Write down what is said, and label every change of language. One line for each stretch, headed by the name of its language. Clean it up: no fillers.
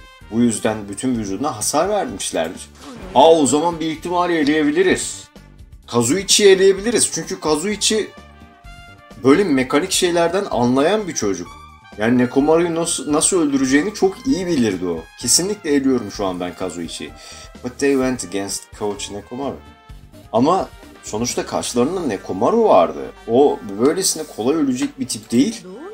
Turkish: Bu yüzden bütün vücuduna hasar vermişlerdir. Aa, o zaman bir ihtimal eleyebiliriz. Kazuichi'yi eleyebiliriz. Çünkü Kazuichi böyle mekanik şeylerden anlayan bir çocuk. Yani Nekomaru'yu nasıl öldüreceğini çok iyi bilirdi o. Kesinlikle eliyorum şu an ben Kazuichi'yi.
English: But they went against Coach Nekomaru.
Turkish: Ama sonuçta karşılarında Nekomaru vardı. O böylesine kolay ölecek bir tip değil.